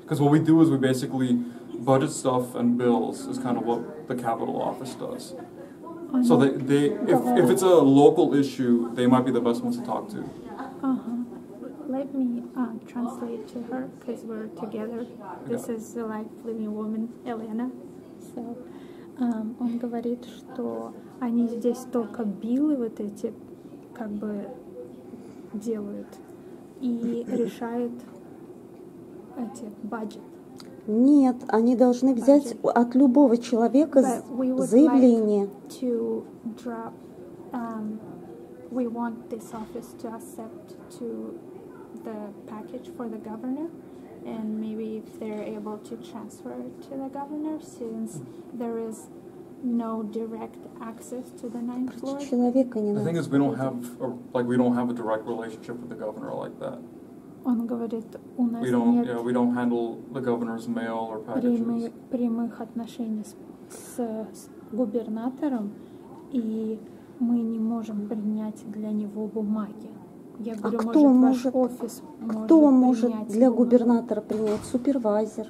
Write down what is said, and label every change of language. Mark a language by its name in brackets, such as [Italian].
[English] Because what we do is we basically budget stuff and bills is kind of what the Capitol office does. So they if it's a local issue, they might be the best ones to talk to. Uh-huh. Let me translate to her because we're together. This is the lively woman, Elena. [Russian] So, он говорит, что они здесь только биллы вот эти как бы делают и решают эти budget. Нет, они должны взять budget. От любого человека заявление. [English] Like to drop, we want this office to accept to the package for the governor. And maybe if they're able to transfer to the governor, since there is no direct access to the ninth floor. [Russian] Человека не надо. [English] The thing is, we don't have a direct relationship with the governor like that. [Russian] Он говорит, у нас нет. [English] We don't handle the governor's mail or packages. [Russian] Прямых отношений с губернатором, и мы не можем принять для него бумаги. Я говорю, а кто может, ваш офис кто может принять для губернатора принять супервайзер?